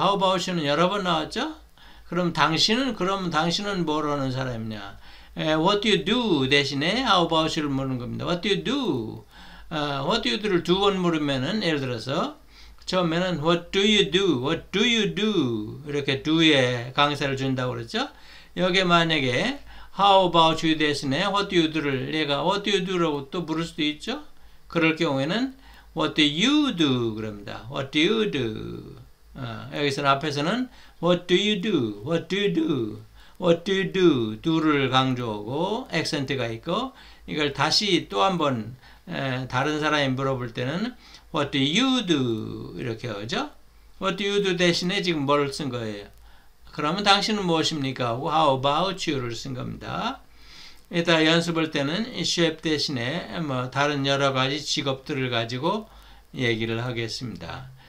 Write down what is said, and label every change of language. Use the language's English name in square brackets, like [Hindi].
[Korean] How about you는 여러 번 나왔죠? 그럼 당신은 뭘 하는 사람이냐? [English] What do you do? [Korean] 대신에 [English] How about you를 묻는 겁니다. What do you do? What do you do를 [Korean] 두 번 물으면은 예를 들어서 처음에는 [English] What do you do? What do you do? [Korean] 이렇게 do에 강세를 준다고 그랬죠. 여기에 만약에 How about you 대신에 What do you do를 얘가 What do you do라고 또 물을 수도 있죠. 그럴 경우에는 [English] What do you do? [Korean] 그럽니다. [English] What do you do? [Korean] 여기서는 앞에서는 [English] What do you do? What do you do? What do you do? [Korean] do를 강조하고 액센트가 있고 이걸 다시 또 한 번 다른 사람이 물어볼 때는 [English] What do you do? [Korean] 이렇게 하죠. What do you do 대신에 지금 뭘 쓴 거예요? 그러면 당신은 무엇입니까? How about you를 쓴 겁니다. 이따 연습할 때는 chef 대신에 뭐 다른 여러 가지 직업들을 가지고 얘기를 하겠습니다.